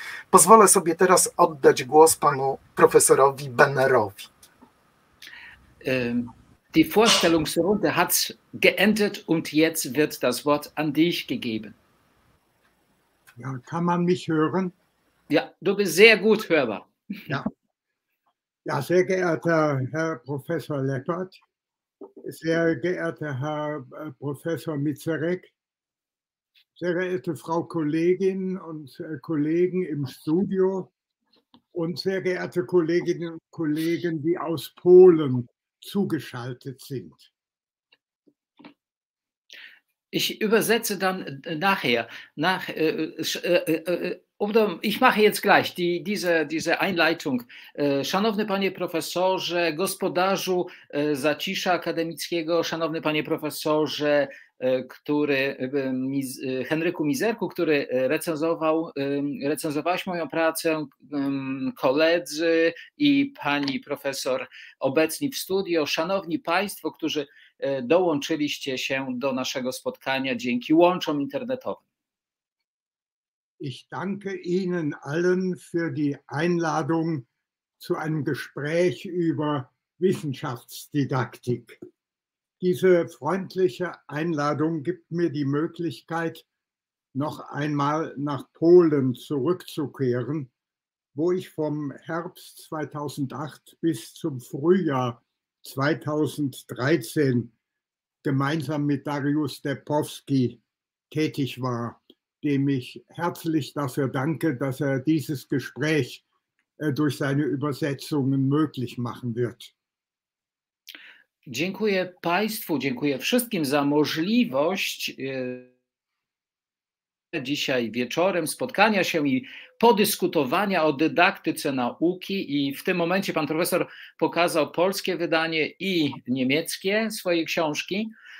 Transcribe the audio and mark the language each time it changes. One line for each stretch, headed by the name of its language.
Polish: Pozwolę sobie teraz oddać głos panu profesorowi Bennerowi.
German: Die Vorstellungsrunde hat geendet und jetzt wird das Wort an dich gegeben. Ja, kann man mich hören? Ja, du bist sehr gut hörbar. Ja, Ja, sehr geehrter Herr Professor Leppert, sehr geehrter Herr Professor Mizerek, sehr geehrte Frau Kollegin und Kollegen im Studio und sehr geehrte Kolleginnen und Kollegen, die aus Polen zugeschaltet sind. Ich übersetze dann nachher. Ich mache jetzt gleich diese Einleitung.
Polish: Szanowny panie profesorze, gospodarzu zacisza akademickiego, szanowny panie profesorze, który Henryku Mizerku, który recenzowałeś moją pracę, koledzy i pani profesor obecni w studio, szanowni państwo, którzy dołączyliście się do naszego spotkania dzięki łączom internetowym.
German: Ich danke Ihnen allen für die Einladung zu einem Gespräch über Wissenschaftsdidaktik. Diese freundliche Einladung gibt mir die Möglichkeit, noch einmal nach Polen zurückzukehren, wo ich vom Herbst 2008 bis zum Frühjahr 2013 gemeinsam mit Dariusz Depowski tätig war, dem ich herzlich dafür danke, dass er dieses Gespräch durch seine Übersetzungen möglich machen wird.
Polish: Dziękuję Państwu, dziękuję wszystkim za możliwość dzisiaj wieczorem spotkania się i podyskutowania o dydaktyce nauki. I w tym momencie pan profesor pokazał polskie wydanie i niemieckie swojej książki.